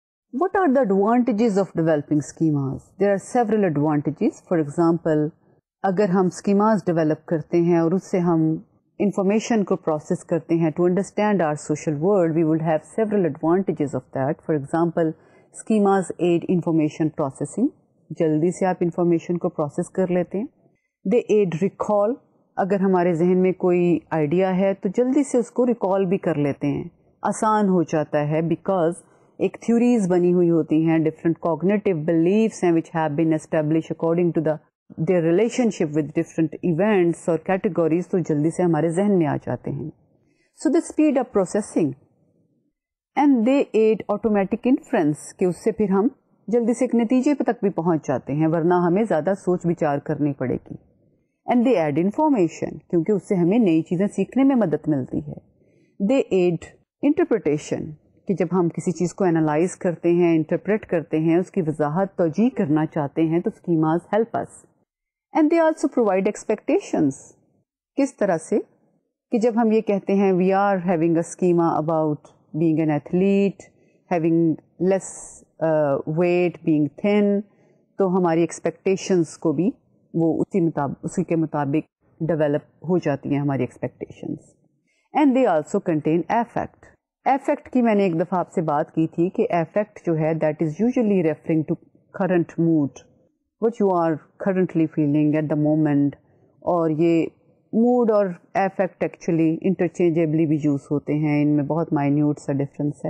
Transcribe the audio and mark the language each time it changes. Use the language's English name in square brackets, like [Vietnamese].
[English] What are the advantages of developing schemas? There are several advantages. For example, [Urdu] agar hum schemas develop karte hain [English] aur usse hum information ko process karte hain to understand our social world, we would have several advantages of that. For example, schemas aid information processing. [Urdu] جلدی سے آپ information کو process کر لیتے ہیں. [English] They aid recall. [Urdu] اگر ہمارے ذہن میں کوئی idea ہے تو جلدی سے اس کو recall بھی کر لیتے ہیں, آسان ہو جاتا ہے, because ایک theories بنی ہوئی ہوتی ہیں, different cognitive beliefs ہیں [English] which have been established according to their relationship with different events or categories, [Urdu] تو جلدی سے ہمارے ذہن میں آ جاتے ہیں. [English] So they speed up processing. And they aid automatic inference, [Urdu] کہ اس سے پھر ہم جلدی سے ایک نتیجے پہ تک بھی پہنچ جاتے ہیں, ورنہ ہمیں زیادہ سوچ بچار کرنی پڑے گی. [English] And they add information, [Urdu] کیونکہ اس سے ہمیں نئی چیزیں سیکھنے میں مدد ملتی ہے. [English] They aid interpretation, [Urdu] کہ جب ہم کسی چیز کو انالائز کرتے ہیں, انٹرپریٹ کرتے ہیں, اس کی وضاحت توجیہ کرنا چاہتے ہیں تو [English] Schemas help us. And they also provide expectations. [Urdu] کس طرح سے؟ کہ جب ہم یہ کہتے ہیں [English] we are having a schema about being an athlete, having less weight, being thin, [Urdu] تو ہماری ایکسپیکٹیشنز کو بھی وہ اسی کے مطابق ڈیولپ ہو جاتی ہیں ہماری expectations. [English] And they also contain affect. [Urdu] Effect کی میں نے ایک دفعہ آپ سے بات کی تھی کہ افیکٹ جو ہے [English] That is usually referring to current mood, what you are currently feeling at the moment. [Urdu] اور یہ موڈ اور افیکٹ ایکچولی انٹرچینجبلی بھی یوز ہوتے ہیں, ان میں بہت مائنیوٹ سا ڈفرینس ہے.